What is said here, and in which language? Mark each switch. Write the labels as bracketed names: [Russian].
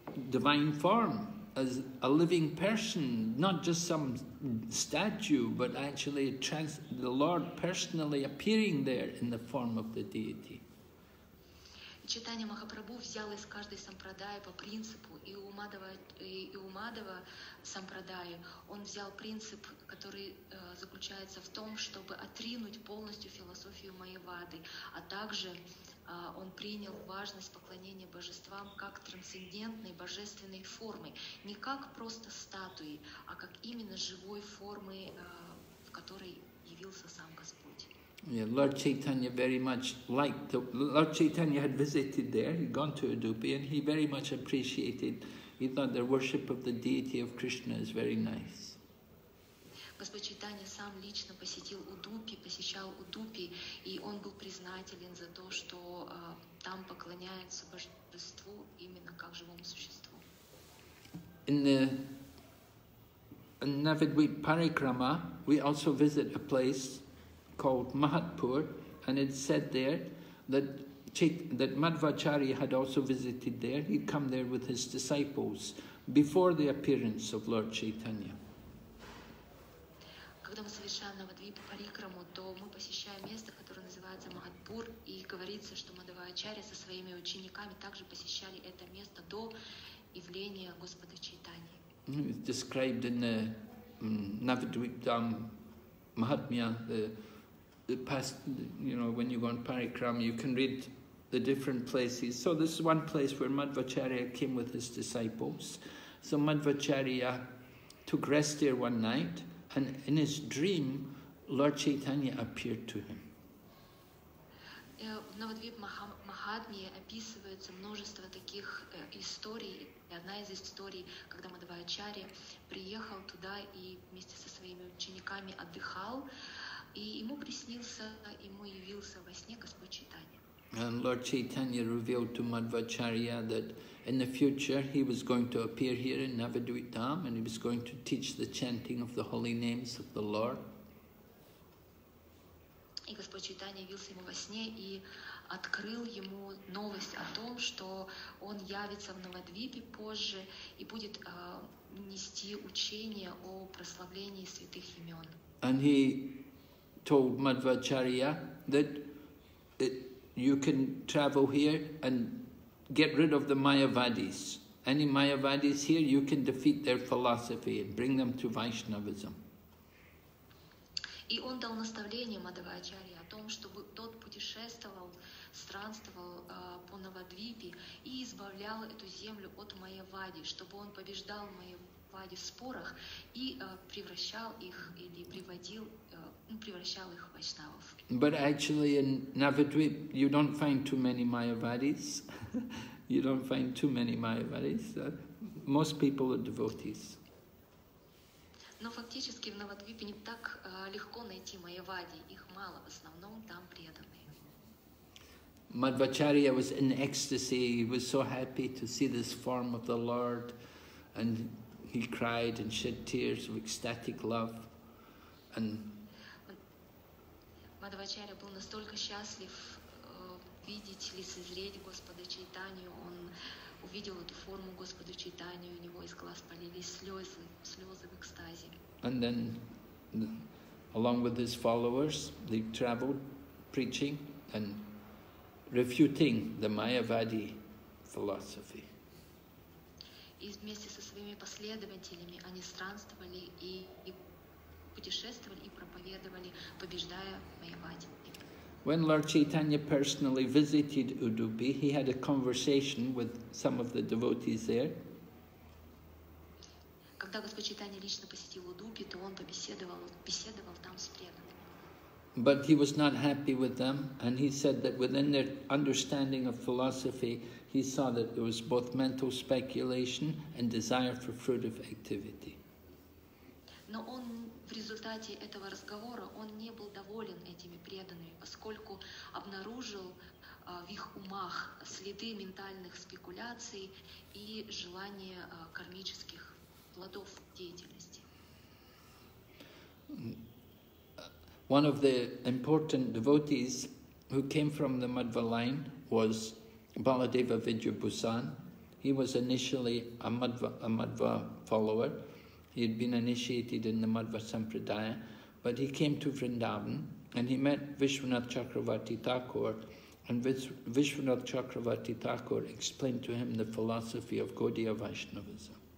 [English] divine form, as a living person, not just some statue, but actually the Lord personally appearing there in the form of the deity. [Russian] Чайтанья Махапрабху взял из каждой сампрадаи по принципу, и у Мадхава сампрадаи он взял принцип, который заключается в том, чтобы отринуть полностью философию Майявады, а также он принял важность поклонения божествам как трансцендентной божественной формы, не как просто статуи, а как именно живой формы, в которой явился сам Господь. [English] Yeah, Lord Chaitanya very much liked the, Lord Chaitanya had visited there, he'd gone to Udupi, and he very much appreciated, he thought the worship of the deity of Krishna is very nice. [Russian] Господь Чайтанья сам лично посетил Удупи, посещал Удупи, и он был признателен за то, что там поклоняется божеству именно как живому существу. [English] In Navadvip Parikrama, we also visit a place called Mahatpur, and it's said there that that Madhvacharya had also visited there. He'd come there with his disciples before the appearance of Lord Chaitanya. [Russian] Когда мы совершаем Навадвипу Парикраму, то мы посещаем место, которое называется Махатпур, и говорится, что Мадхвачарья со своими учениками также посещали это место до явления Господа Чайтаньи. [English] It's described in the Navadvip Dham Mahatmya, the past, you know, when you go on Parikram, you can read the different places. So this is one place where Madhvacharya came with his disciples. So Madhvacharya took rest there one night, and in his dream, Lord Chaitanya appeared to him. [Russian] В Навадвип Махатмье описывается множество таких историй. И одна из историй, когда Мадхвачарья приехал туда и вместе со своими учениками отдыхал, и ему приснился, ему явился во сне Господь Чайтанья. [English] And Lord Chaitanya revealed to Madhvacharya that in the future he was going to appear here in Navadvip Dham, and he was going to teach the chanting of the holy names of the Lord. [Russian] И Господь Чайтанья явился ему во сне и открыл ему новость о том, что он явится в Навадвипе позже и будет нести учение о прославлении святых имен. [English] And he told Madhvacharya that you can travel here and get rid of the Mayavadis. Any Mayavadis here, you can defeat their philosophy and bring them to Vaishnavism. [Russian] И он дал наставление Мадхвачарье о том, чтобы тот путешествовал, странствовал по Навадвипе и избавлял эту землю от Майявади, чтобы он побеждал Майявади в спорах и превращал их или приводил, превращал их в вайшнавов. [English] But actually in Navadvip you don't find too many Mayavadis. You don't find too many Mayavadis. Most people are devotees. [Russian] Но фактически в Навадвипе не так легко найти Майявади, их мало, в основном там преданные. [English] Madhvacharya was in ecstasy, he was so happy to see this form of the Lord, and he cried and shed tears of ecstatic love. And [Russian] Madhvacharya был настолько счастлив видеть или созреть Господа Чайтанью, он увидел эту форму Господа Чайтанью, у него из глаз полились слезы, слезы в экстазе. [English] And then, along with his followers, they traveled preaching and refuting the Mayavadi philosophy. [Russian] И вместе со своими последователями они странствовали и путешествовали и проповедовали, побеждая Майявади. [English] When Lord Chaitanya personally visited Udupi, he had a conversation with some of the devotees there. [Russian] Когда Господь Чайтанья лично посетил Удупи, то он побеседовал, беседовал там с преданными. [English] But he was not happy with them, and he said that within their understanding of philosophy, he saw that there was both mental speculation and desire for fruitive activity. [Russian] Но он в результате этого разговора он не был доволен этими преданными, поскольку обнаружил в их умах следы ментальных спекуляций и желание кармических плодов деятельности. [English] One of the important devotees who came from the Madhva line was Baladeva Vidyabhusan. He was initially a Madhva follower. He had been initiated in the Madhva Sampradaya, but he came to Vrindavan and he met Vishwanath Chakravarti Thakur, and Vishwanath Chakravarti Thakur explained to him the philosophy of Gaudiya Vaishnavism.